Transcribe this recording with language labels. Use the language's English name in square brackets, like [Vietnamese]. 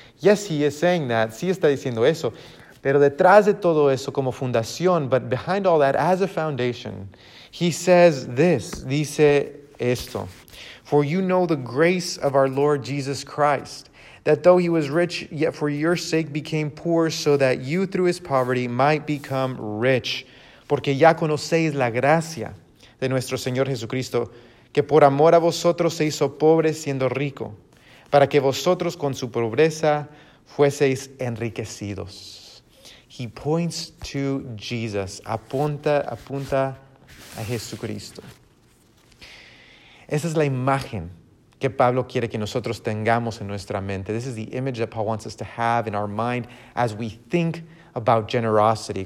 [English] Yes, he is saying that. [Spanish] Sí está diciendo eso. Pero detrás de todo eso, como fundación, [English] but behind all that, as a foundation, he says this, [Spanish] dice esto. [English] For you know the grace of our Lord Jesus Christ, that though he was rich, yet for your sake became poor, so that you through his poverty might become rich. [Spanish] Porque ya conocéis la gracia de nuestro Señor Jesucristo, que por amor a vosotros se hizo pobre siendo rico, para que vosotros con su pobreza fueseis enriquecidos. [English] He points to Jesus. [Spanish] Apunta a Jesucristo. Esa es la imagen que Pablo quiere que nosotros tengamos en nuestra mente. [English] This is the image that Paul wants us to have in our mind as we think about generosity.